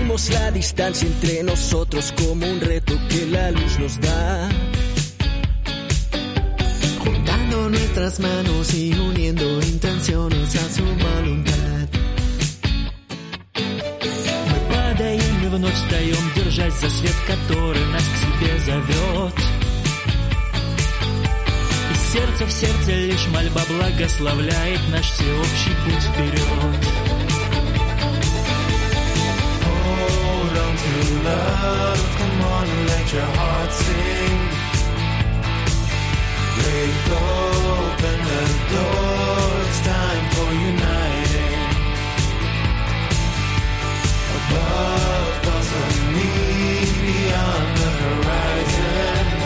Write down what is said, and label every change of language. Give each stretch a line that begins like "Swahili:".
Spanish: La distancia entre nosotros como un reto que la luz nos da, juntando nuestras manos y uniendo intenciones a su voluntad.
Russian: Мы падаем и вновь встаем, держась за свет, который нас к себе зовет. И сердце в сердце лишь мольба благословляет наш всеобщий путь вперед.
English: Love, come on, let your heart sing. Break open the door, it's time for uniting. Above thoughts of me, beyond the horizon.